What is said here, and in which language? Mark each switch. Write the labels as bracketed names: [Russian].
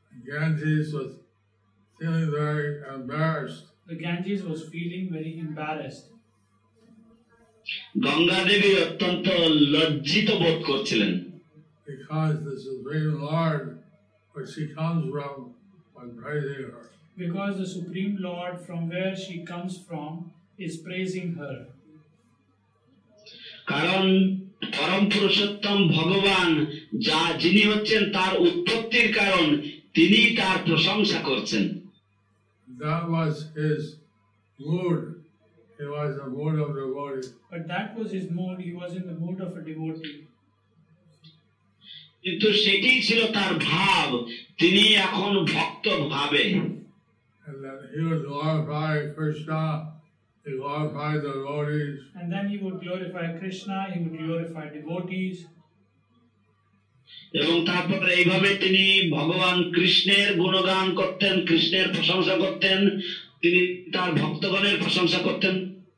[English] Ganges was feeling very embarrassed. The Ganges was feeling very embarrassed. [Bangla] Ganga দেবী অত্যন্ত লজ্জিত বোধ করছিলেন. [English] Because the Supreme Lord, where she comes from, was praising her. Because the Supreme Lord, from where she comes from, is praising her. [Bangla] কারণ পরম পুরুষোত্তম ভগবান যা যিনি হচ্ছেন তার উৎপত্তির কারণ তিনি তার প্রশংসা করছেন. [English] That was his mood. He was the mood of a devotee. But that was his mood. He was in the mood of a devotee. [Bangla] কিন্তু সেটি ছিল তার ভাব. তিনি এখন ভক্ত ভাবে. [English] And then he would glorify Krishna, he glorified the devotees. And then he would glorify Krishna, he would glorify devotees. [Bangla] এবং তারপরে এইভাবে তিনি ভগবান কৃষ্ণের গুণগান করতেন, কৃষ্ণের প্রশংসা করতেন, তিনি তার ভক্তগণের প্রশংসা করতেন।